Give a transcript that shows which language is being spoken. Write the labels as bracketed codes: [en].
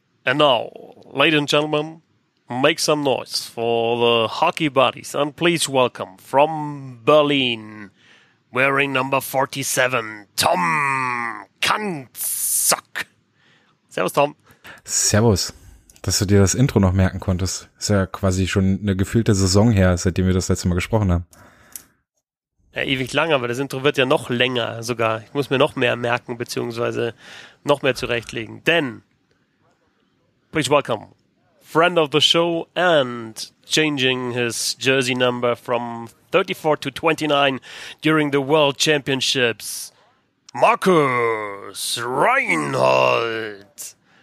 [en] And now, ladies and gentlemen, make some noise for the hockey buddies. And please welcome from Berlin, wearing number 47, Tom Kanzock. [de] Servus, Tom. Servus. Dass du dir das Intro noch merken konntest. Ist ja quasi schon eine gefühlte Saison her, seitdem wir das letzte Mal gesprochen haben. Ja, ewig lang, aber das Intro wird ja noch länger sogar. Ich muss mir noch mehr merken, beziehungsweise noch mehr zurechtlegen. [en] Denn, please welcome, friend of the show and changing his jersey number from 34 to 29 during the World Championships, Markus Reinhold.